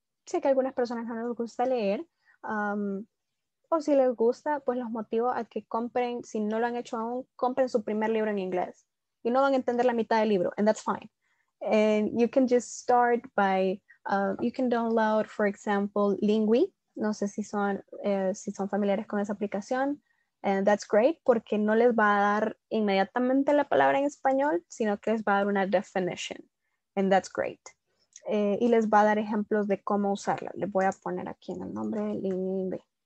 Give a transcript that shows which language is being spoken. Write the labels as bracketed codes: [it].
[es] Sé que a algunas personas no les gusta leer, o si les gusta, pues los motivo a que compren, si no lo han hecho aún, compren su primer libro en inglés. Y no van a entender la mitad del libro, [en] and that's fine. And you can just start by You can download, for example, Lingui. [es] No sé si son, si son familiares con esa aplicación. [en] And that's great [es] porque no les va a dar inmediatamente la palabra en español, sino que les va a dar una definition. And that's great. Y les va a dar ejemplos de cómo usarla. Le voy a poner aquí en el nombre Lingui.